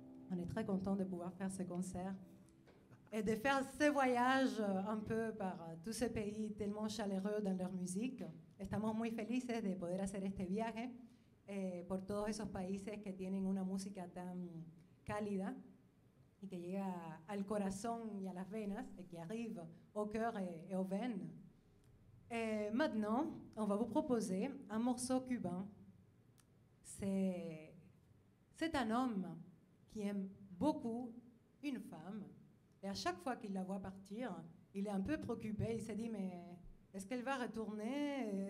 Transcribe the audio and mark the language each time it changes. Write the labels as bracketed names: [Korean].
[French] On est très contents de pouvoir faire ce concert et de faire ce voyage un peu par tous ces pays tellement chaleureux dans leur musique. [Spanish] Estamos muy felices de poder hacer este viaje por todos esos países que tienen una música tan cálida y que llega al corazón y a las venas y que [French] arrive au cœur et aux veines. Et maintenant, on va vous proposer un morceau cubain. C'est un homme qui aime beaucoup une femme. Et à chaque fois qu'il la voit partir, il est un peu préoccupé. Il se dit, mais est-ce qu'elle va retourner?